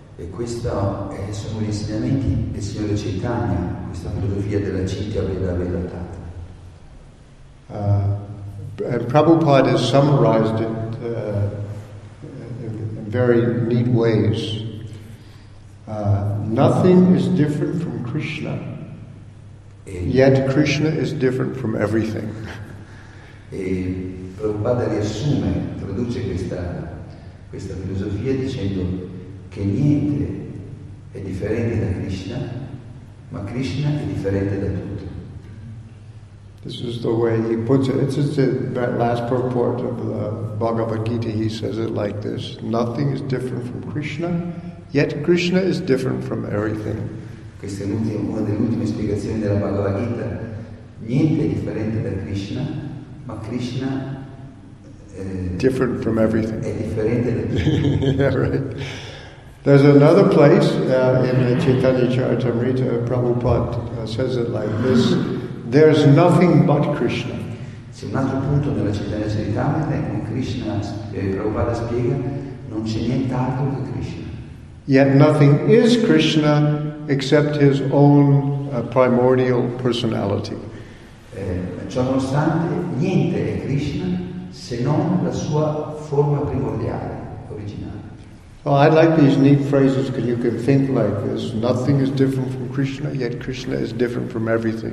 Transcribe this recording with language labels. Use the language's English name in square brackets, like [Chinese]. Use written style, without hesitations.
[Italian] E questi sono gli insegnamenti del Signore Chaitanya, questa filosofia della Cintia Veda Veda Tattva. [English] And Prabhupada has summarized it in very neat ways. Nothing is different from Krishna, yet Krishna is different from everything. [Italian] E Prabhupada riassume, traduce questa filosofia dicendo che niente è differente da Krishna, ma Krishna è differente da tutto. [English] This is the way he puts it. It's just that last purport of the Bhagavad Gita. He says it like this: nothing is different from Krishna, Yet Krishna is different from everything. [Italian] Questa è una delle ultime spiegazioni della Bhagavad Gita. Niente è differente da Krishna, ma Krishna [English] different from everything. [Italian] È differente da tutto. [English] Yeah, right. There's another place in the Chaitanya Charitamrita, Prabhupada says it like this: there's nothing but Krishna. [Italian] C'è un altro punto nella Chaitanya Charitamrita in cui Krishna, Prabhupada spiega, non c'è nient'altro che Krishna. [English] Yet nothing is Krishna except his own primordial personality. [Italian] Ciò nonostante, niente è Krishna se non la sua forma primordiale, originale. [English] Oh, I like these neat phrases because you can think like this: nothing is different from Krishna, yet Krishna is different from everything.